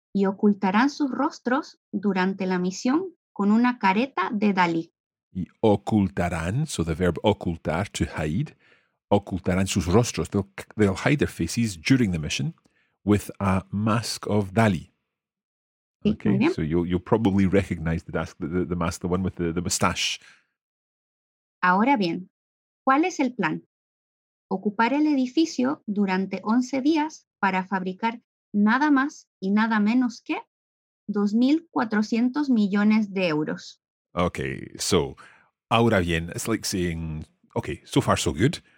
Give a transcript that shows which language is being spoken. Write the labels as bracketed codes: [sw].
[es] Y ocultarán sus rostros durante la misión con una careta de Dalí. Y ocultarán, [en] so the verb ocultar, to hide, [es] ocultarán sus rostros, [en] they'll hide their faces during the mission with a mask of Dalí. Okay, so you'll probably recognize the mask, the one with the mustache. [es] Ahora bien, ¿cuál es el plan? Ocupar el edificio durante 11 días para fabricar nada más y nada menos que 2,400 millones de euros. [en] Okay, so, [es] ahora bien, [en] it's like saying, okay, so far so good.